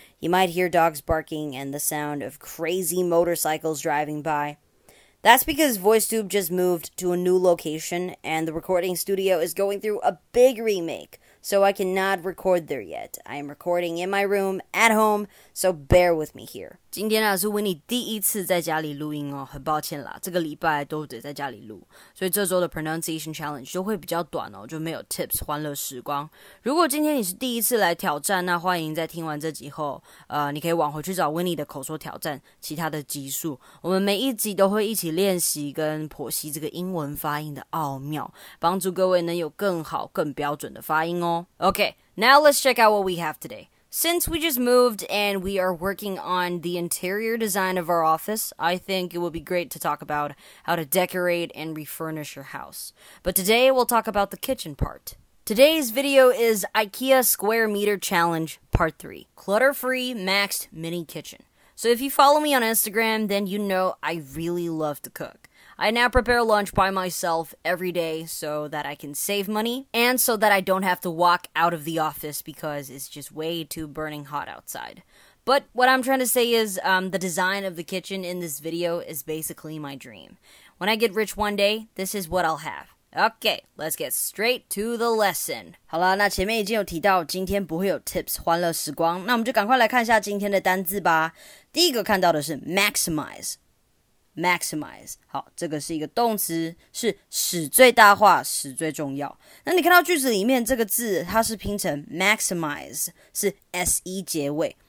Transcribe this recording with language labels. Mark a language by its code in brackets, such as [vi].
[en] You might hear dogs barking and the sound of crazy motorcycles driving by. That's because VoiceTube just moved to a new location, and the recording studio is going through a big remake. So I cannot record there yet. I am recording in my room at home, so bear with me here. [zh] 今天啊，是为你第一次在家里录音哦，很抱歉啦，这个礼拜都得在家里录，所以这周的 [en] pronunciation challenge [zh] 就会比较短哦，就没有 tips 欢乐时光。如果今天你是第一次来挑战，那欢迎在听完这集后，你可以往回去找 Winnie 的口说挑战其他的集数。我们每一集都会一起练习跟剖析这个英文发音的奥妙，帮助各位能有更好、更标准的发音哦。 [en] Okay, now let's check out what we have today. Since we just moved and we are working on the interior design of our office, I think it would be great to talk about how to decorate and refurnish your house. But today we'll talk about the kitchen part. Today's video is IKEA Square Meter Challenge Part 3, Clutter-Free Maxed Mini Kitchen. So if you follow me on Instagram, then you know I really love to cook. I now prepare lunch by myself every day so that I can save money and so that I don't have to walk out of the office because it's just way too burning hot outside. But what I'm trying to say is, the design of the kitchen in this video is basically my dream. When I get rich one day, this is what I'll have. Okay, let's get straight to the lesson. [zh] 好啦，那前面已经有提到今天不会有 tips 欢乐时光，那我们就赶快来看一下今天的单字吧。第一个看到的是 maximize. Maximize, 好，这个是一个动词，是使最大化，使最重要。那你看到句子里面这个字，它是拼成 maximize, 是 se 结尾。